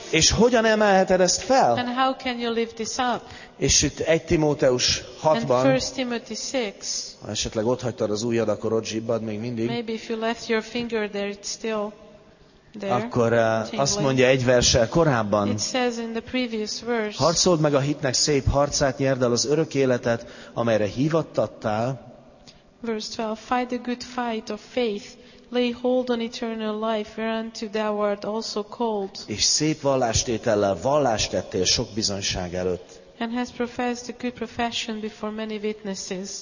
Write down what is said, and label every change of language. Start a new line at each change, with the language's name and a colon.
Hungarian: És hogyan emelheted ezt fel?
English: And how can you lift this up?
Hungarian: És itt 1 Timóteus 6-ban.
English: And 1 Timothy 6.
Hungarian: Ha esetleg ott hagytad az ujjad, akkor ott zsibbad még mindig.
English: Maybe if you left your finger there, it's still there.
Hungarian: Akkor azt mondja egy verssel korábban.
English: It says in the previous verse.
Hungarian: Harcold meg a hitnek szép harcát, nyerd el az örök életet, amelyre hivattattál.
English: Verse 12, fight the good fight of faith, lay hold on eternal life, whereunto thou art also called.
Hungarian: És szép vallástétellel vallást tettél sok bizonyság előtt.
English: And has professed a good profession before many witnesses.